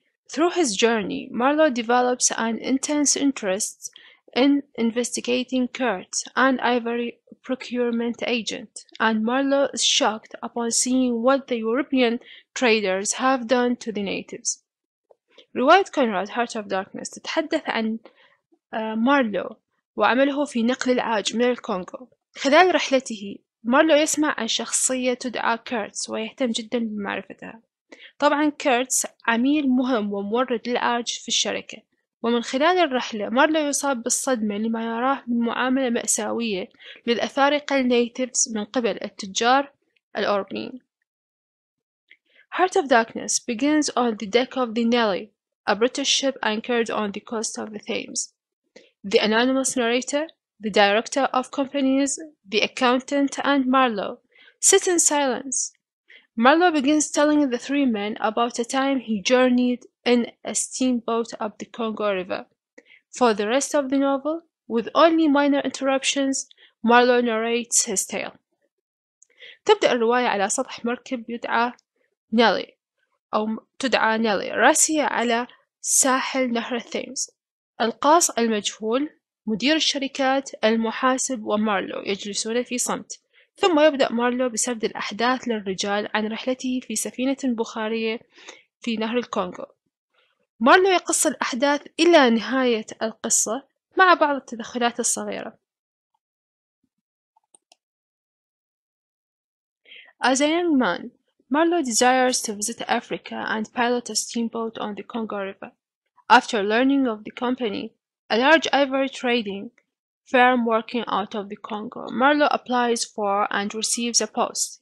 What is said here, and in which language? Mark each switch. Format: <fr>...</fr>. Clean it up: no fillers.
<en>Through his journey, Marlowe develops an intense interest in investigating Kurt, an ivory procurement agent, and Marlowe is shocked upon seeing what the European traders have done to the natives.</en> <ar>رواية كونراد Heart of Darkness تتحدث عن مارلو وعمله في نقل العاج من الكونغو. خلال رحلته مارلو يسمع عن شخصية تدعى كيرتس ويهتم جدا بمعرفتها. طبعا كيرتس عميل مهم ومورد للعاج في الشركة. ومن خلال الرحلة مارلو يصاب بالصدمة لما يراه من معاملة مأساوية للأفارقة النيتيفز من قبل التجار الأوروبيين.</ar> <en>Heart of Darkness begins on the deck of the Nelly, a British ship anchored on the coast of the Thames. The anonymous narrator, the director of companies, the accountant, and Marlowe sit in silence. Marlowe begins telling the three men about a time he journeyed in a steamboat up the Congo River. For the rest of the novel, with only minor interruptions, Marlowe narrates his tale.</en> <ar>تبدأ الرواية على سطح مركب يدعى نيلي أو تدعى نيلي راسية على ساحل نهر الثيمز. القاص المجهول، مدير الشركات، المحاسب ومارلو يجلسون في صمت. ثم يبدأ مارلو بسرد الأحداث للرجال عن رحلته في سفينة بخارية في نهر الكونغو. مارلو يقص الأحداث إلى نهاية القصة مع بعض التدخلات الصغيرة.</ar> <en>As a young man, Marlowe desires to visit Africa and pilot a steamboat on the Congo River. After learning of the company, a large ivory trading firm working out of the Congo, Marlowe applies for and receives a post.</en>